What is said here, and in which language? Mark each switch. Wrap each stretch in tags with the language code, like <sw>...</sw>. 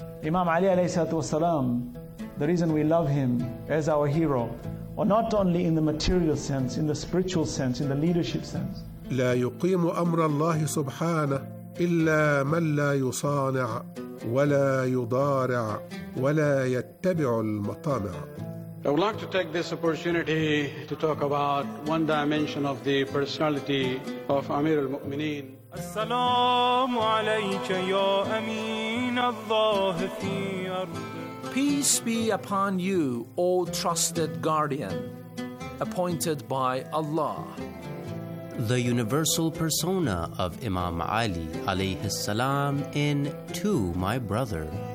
<en>Imam Ali alayhi salatu wasalam, the reason we love him as our hero, or not only in the material sense, in the spiritual sense, in the leadership sense.</en> <ar>لا يقيم أمر الله سبحانه إلا من لا يصانع ولا يضارع ولا يتبع المطامع.</ar> <en>I would like to take this opportunity to talk about one dimension of the personality of Amir al-Mu'mineen.</en> <ar>السلام عليك يا أمين الله في أرضه.</ar> <en>Peace be upon you, O trusted guardian, appointed by Allah. The universal persona of Imam Ali alayhi salam in To My Brother.</en>